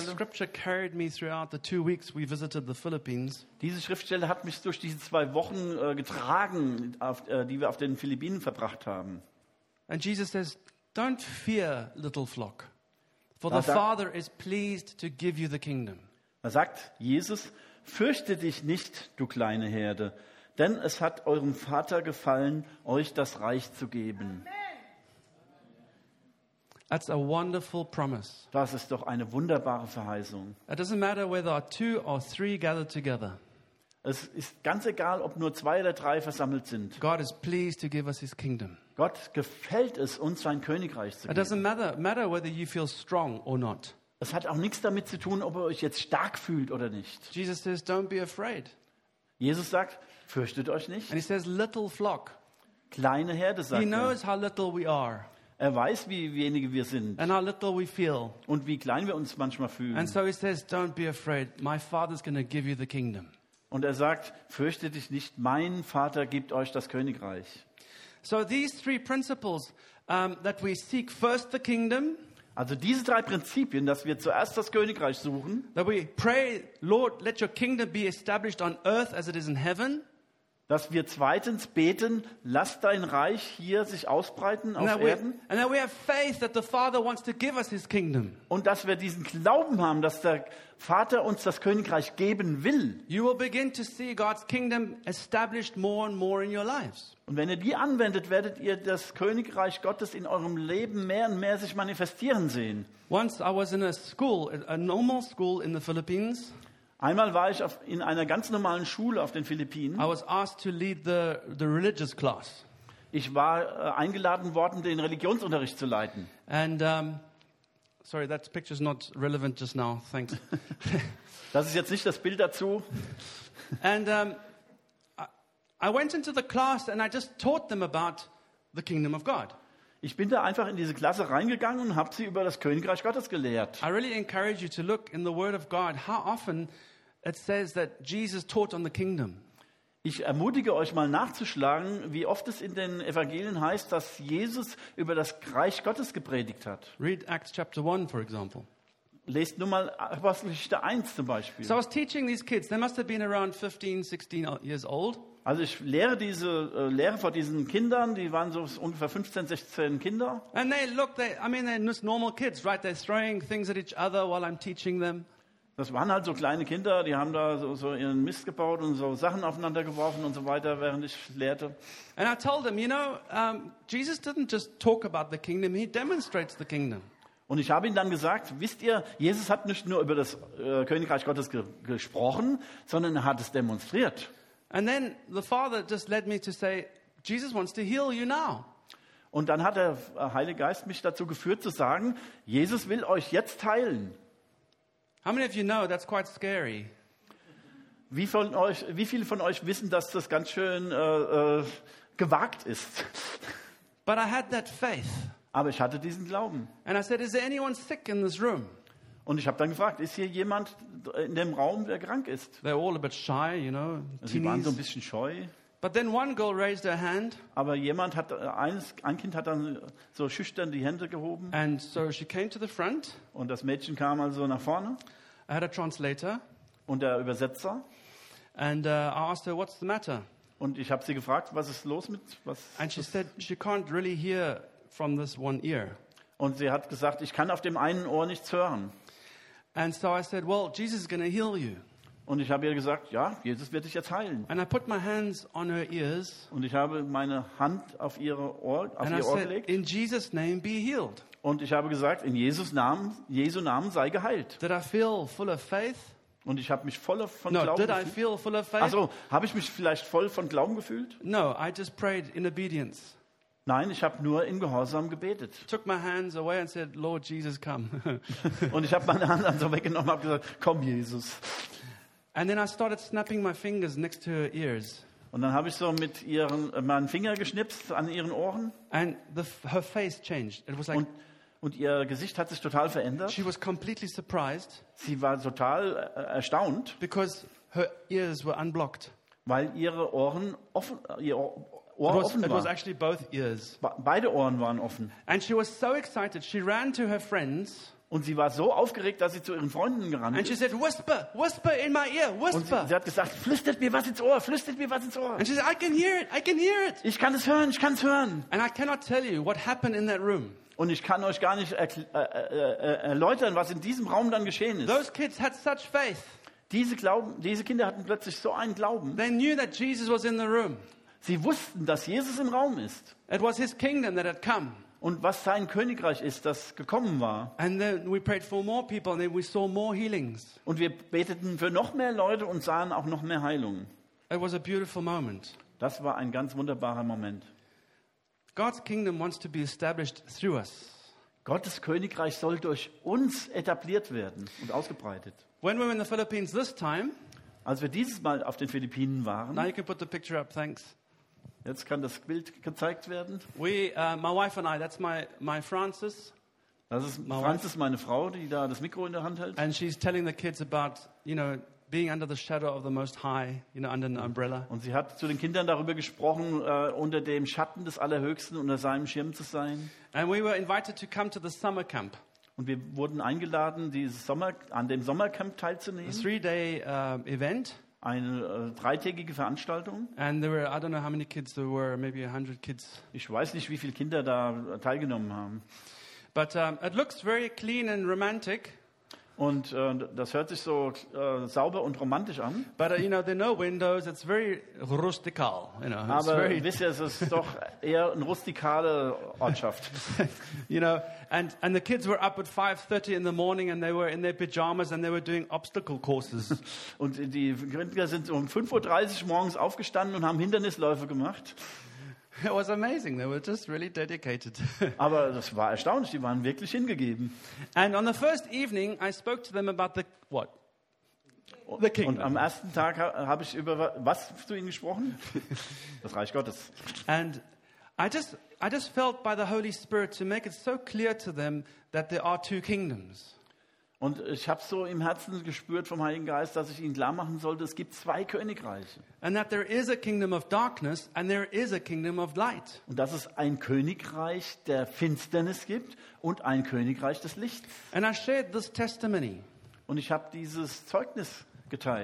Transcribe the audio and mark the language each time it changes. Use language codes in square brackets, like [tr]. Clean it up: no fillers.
[en] This scripture carried me throughout the 2 weeks we visited the Philippines. [de] Diese Schriftstelle hat mich durch diese 2 Wochen getragen, die wir auf den Philippinen verbracht haben. [en] And Jesus says, "Don't fear, little flock, for the Father is pleased to give you the kingdom." [de] Er sagt, Jesus, fürchte dich nicht, du kleine Herde, denn es hat eurem Vater gefallen, euch das Reich zu geben. [en] That's a wonderful promise. [de] Das ist doch eine wunderbare Verheißung. [en] It doesn't matter whether two or three gather together. [de] Es ist ganz egal, ob nur 2 oder 3 versammelt sind. [en] God is pleased to give us his kingdom. [de] Gott gefällt es, uns sein Königreich zu geben. [en] It doesn't matter whether you feel strong or not. [de] Es hat auch nichts damit zu tun, ob ihr euch jetzt stark fühlt oder nicht. [en] Jesus says, "Don't be afraid." [de] Jesus sagt, fürchtet euch nicht. [en] And he says, "Little flock." [de] Kleine Herde, sagt er. [en] He knows how little we are. [de] Er weiß, wie wenige wir sind. [en] And how little we feel. [de] Und wie klein wir uns manchmal fühlen. [en] And so he says, "Don't be afraid. My Father's going to give you the kingdom." [de] Und er sagt, fürchtet dich nicht. Mein Vater gibt euch das Königreich. [en] So these 3 principles that we seek first the kingdom. [de] Also diese 3 Prinzipien, dass wir zuerst das Königreich suchen. [en] That we pray, Lord, let your kingdom be established on earth as it is in heaven. [de] Dass wir zweitens beten, lass dein Reich hier sich ausbreiten auf Erden. [en] And that we have faith that the Father wants to give us his kingdom. [de] Und dass wir diesen Glauben haben, dass der Vater uns das Königreich geben will. [en] You will begin to see God's kingdom established more and more in your lives. [de] Und wenn ihr die anwendet, werdet ihr das Königreich Gottes in eurem Leben mehr und mehr sich manifestieren sehen. [en] Once I was in a school, a normal school in the Philippines. [de] Einmal war ich in einer ganz normalen Schule auf den Philippinen. [en] I was asked to lead the religious class. [de] Ich war eingeladen worden, den Religionsunterricht zu leiten. [en] And sorry, that picture's not relevant just now. Thanks. [de] Das ist jetzt nicht das Bild dazu. [en] And I went into the class and I just taught them about the kingdom of God. [de] Ich bin da einfach in diese Klasse reingegangen und habe sie über das Königreich Gottes gelehrt. [en] I really encourage you to look in the Word of God how often it says that Jesus taught on the kingdom. [de] Ich ermutige euch mal nachzuschlagen, wie oft es in den Evangelien heißt, dass Jesus über das Reich Gottes gepredigt hat. [en] Read Acts chapter 1 for example. [de] Lest nur mal Apostelgeschichte 1 zum Beispiel. [en] So I was teaching these kids. They must have been around 15, 16 years old. [de] Also ich lehre diese Lehre vor diesen Kindern, die waren so ungefähr 15, 16 Kinder. [en] And they look, they're just normal kids, right? They're throwing things at each other while I'm teaching them. [de] Das waren halt so kleine Kinder, die haben da so ihren Mist gebaut und so Sachen aufeinander geworfen und so weiter, während ich lehrte. [en] And I told them, you know, Jesus didn't just talk about the kingdom, he demonstrates the kingdom. [de] Und ich habe ihnen dann gesagt, wisst ihr, Jesus hat nicht nur über das Königreich Gottes gesprochen, sondern er hat es demonstriert. [en] And then the Father just led me to say, Jesus wants to heal you now. [de] Und dann hat der Heilige Geist mich dazu geführt zu sagen, Jesus will euch jetzt heilen. [en] How many of you know that's quite scary? [de] Wie viele von euch wissen, dass das ganz schön gewagt ist? [en] But I had that faith. [de] Aber ich hatte diesen Glauben. [en] And I said, is there anyone sick in this room? [de] Und ich habe dann gefragt, ist hier jemand in dem Raum, der krank ist? [en] They're all a bit shy, you know. [de] Sie waren so ein bisschen scheu. [en] But then one girl raised her hand. [de] Aber jemand hat ein Kind hat dann so schüchtern die Hände gehoben. [en] And so she came to the front. [de] Und das Mädchen kam also nach vorne. [en] I had a translator. [de] Und der Übersetzer. [en] And I asked her, what's the matter? [de] Und ich habe sie gefragt, was ist los mit was? [en] And she said she can't really hear from this one ear. [de] Und sie hat gesagt, ich kann auf dem einen Ohr nichts hören. [en] And so I said, well, Jesus is going to heal you. [de] Und ich habe ihr gesagt, ja, Jesus wird dich jetzt heilen. [en] And I put my hands on her ears. [de] Und ich habe meine Hand auf ihre Ohr, auf ihr Ohr gelegt. [en] In Jesus name be healed. [de] Und ich habe gesagt, in Jesu Namen sei geheilt. [en] Did I feel full of faith? [de] Und ich habe mich voller von Glauben gefühlt. [en] No, did I feel full of faith? [de] Also, habe ich mich vielleicht voll von Glauben gefühlt? [en] No, I just prayed in obedience. [de] Nein, ich habe nur in Gehorsam gebetet. [en] Took my hands away and said, Lord Jesus, come. [de] Und ich habe meine Hand dann so weggenommen und gesagt, komm Jesus. [en] And then I started snapping my fingers next to her ears. [de] Und dann habe ich so mit ihren meinen Finger geschnipst an ihren Ohren. [en] And her face changed. It was like [de] und ihr Gesicht hat sich total verändert. [en] She was completely surprised. [de] Sie war total erstaunt. [en] Because her ears were unblocked. [de] Weil ihre Ohren offen [en] It was actually both ears. [de] Beide Ohren waren offen. [en] And she was so excited. She ran to her friends. [de] Und sie war so aufgeregt, dass sie zu ihren Freunden gerannt ist. [en] And she said, "Whisper, whisper in my ear, whisper." [de] Und sie hat gesagt, flüstert mir was ins Ohr, flüstert mir was ins Ohr. [en] And she said, "I can hear it, I can hear it." [de] Ich kann es hören, ich kann es hören. [en] And I cannot tell you what happened in that room. [de] Und ich kann euch gar nicht erläutern, was in diesem Raum dann geschehen ist. [en] Those kids had such faith. [de] Diese Kinder hatten plötzlich so einen Glauben. [en] They knew that Jesus was in the room. [de] Sie wussten, dass Jesus im Raum ist. [en] It was his kingdom that had come. [de] Und was sein Königreich ist, das gekommen war. [en] And then we prayed for more people and then we saw more healings. [de] Und wir beteten für noch mehr Leute und sahen auch noch mehr Heilungen. [en] It was a beautiful moment. [de] Das war ein ganz wunderbarer Moment. [en] God's kingdom wants to be established through us. [de] Gottes Königreich soll durch uns etabliert werden und ausgebreitet. [en] When we were in the Philippines this time, [de] als wir dieses Mal auf den Philippinen waren. [en] Now you can put the picture up, thanks. [de] Jetzt kann das Bild gezeigt werden. [en] My wife and I, that's my Francis. [de] Das ist [en] my Francis, wife. [de] Meine Frau, die da das Mikro in der Hand hält. [en] And she's telling the kids about, you know, being under the shadow of the Most High, you know, under an umbrella. [de] Und sie hat zu den Kindern darüber gesprochen, unter dem Schatten des Allerhöchsten, unter seinem Schirm zu sein. [en] And we were invited to come to the summer camp. [de] Und wir wurden eingeladen, an dem Sommercamp teilzunehmen. [en] A 3-day event. [de] Eine dreitägige Veranstaltung. [en] And there were, I don't know how many kids there were, maybe 100 kids. [de] Ich weiß nicht, wie viele Kinder da teilgenommen haben. [en] But it looks very clean and romantic. [de] Und das hört sich so sauber und romantisch an. [en] But you know, there are no windows. It's very rustikal. You know, [de] aber wisst ihr, es ist doch eher eine rustikale Ortschaft. [en] You know, and the kids were up at 5:30 in the morning and they were in their pajamas and they were doing obstacle courses. [de] Und die Kinder sind um 5:30 morgens aufgestanden und haben Hindernisläufe gemacht. [en] It was amazing. They were just really dedicated. [de] Aber das war erstaunlich. Die waren wirklich hingegeben. [en] And on the first evening, I spoke to them about the what? The kingdom. [de] Und am ersten Tag habe ich über was zu ihnen gesprochen? Das Reich Gottes. [en] And I just felt by the Holy Spirit to make it so clear to them that there are two kingdoms. [de] Und ich habe so im Herzen gespürt vom Heiligen Geist, dass ich ihnen klar machen sollte, es gibt zwei Königreiche. [en] And that there is a kingdom of darkness and there is a kingdom of light. [de] Und dass es ein Königreich der Finsternis gibt und ein Königreich des Lichts. [en] And I shared this testimony. [de] Und ich habe dieses Zeugnis geteilt.